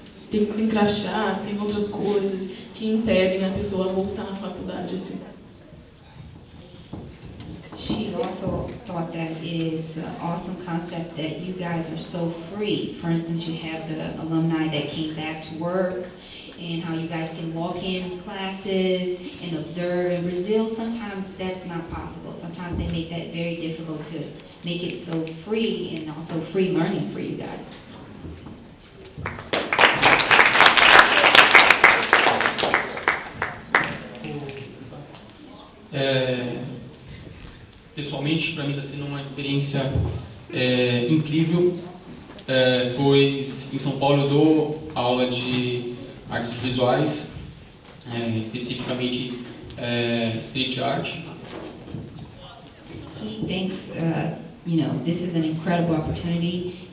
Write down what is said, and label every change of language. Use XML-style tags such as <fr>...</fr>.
<pt>tem crachá, tem outras coisas que impedem a pessoa voltar à faculdade assim.</pt> <en>She also thought that is an awesome concept that you guys are so free. For instance, you have the alumni that came back to work and how you guys can walk in classes and observe. In Brazil, sometimes that's not possible. Sometimes they make that very difficult to make it so free and also free learning for you guys.</en> <pt>Pessoalmente, para mim está sendo uma experiência incrível, pois em São Paulo eu dou aula de artes visuais, especificamente street art.</pt> <en>He thinks, you know, this is an incredible opportunity.</en>